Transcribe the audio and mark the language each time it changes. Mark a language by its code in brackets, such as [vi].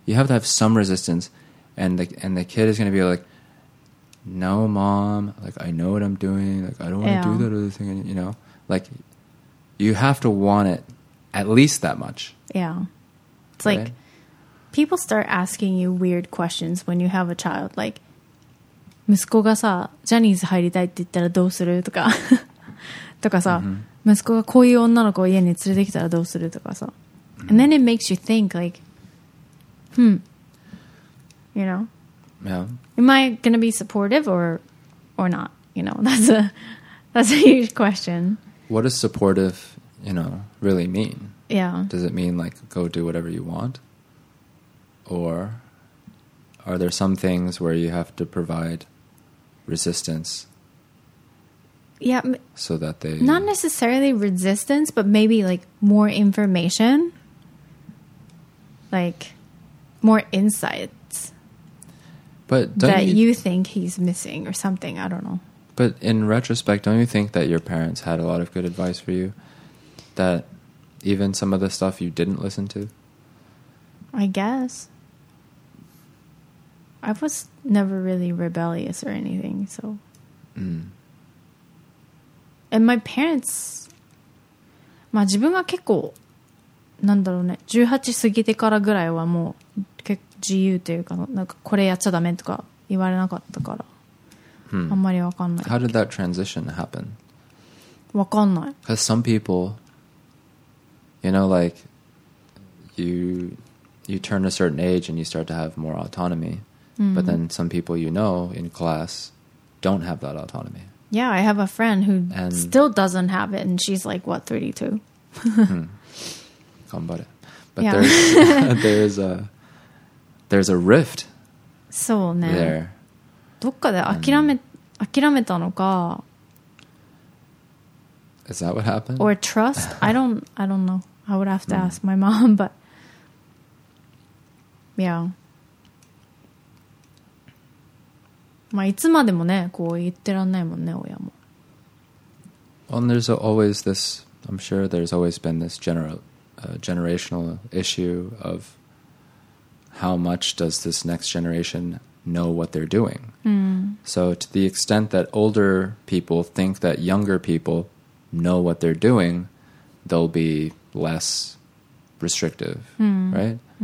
[en] You have to have some resistance. And the kid is going to be like, no, mom, like, I know what I'm doing. Like, I don't want to do that other thing, you know? Like, you have to want it at least that much. Yeah. It's right? Like, people start asking you weird questions when you have a child. Like, [ja] 息子がさ、ジャニーズ入りたいって言ったらどうするとか。とかさ、息子がこういう女の子を家に連れてきたらどうするとかさ。 [en] And then it makes you think, like, you know? Yeah. Am I going to be supportive or not? You know, that's a huge question. What does supportive, you know, really mean? Yeah. Does it mean, like, go do whatever you want? Or are there some things where you have to provide resistance? Yeah. So that they... Not necessarily resistance, but maybe, like, more information. Like, more insight. But that you think he's missing or something. I don't know. But in retrospect, don't you think that your parents had a lot of good advice for you? That even some of the stuff you didn't listen to? I guess. I was never really rebellious or anything, so. Mm. And my parents... [ja] まあ自分が結構、なんだろうね、18過ぎてからぐらいはもう結構自由というか、なんかこれやっちゃダメとか言われなかったから、あんまりわかんない。 [en] How did that transition happen? [ja] わかんない。 [en] Because some people, you know, like, you turn a certain age and you start to have more autonomy. But then some people you know in class don't have that autonomy. Yeah, I have a friend who still doesn't have it and she's like, what, 32? [ja] 頑張れ。 [en] But there's a rift. [ja] そうね。 [en] There. [ja] どっかで諦めたのか。 [en] Is that what happened? Or trust? I don't know. I would have to ask my mom, but yeah. [ja] まあいつまでもね、こう言ってらんないもんね、親も。 [en] Well, there's always this, I'm sure there's always been this generational issue of how much does this next generation know what they're doing? Mm. So to the extent that older people think that younger people know what they're doing, they'll be less restrictive, right?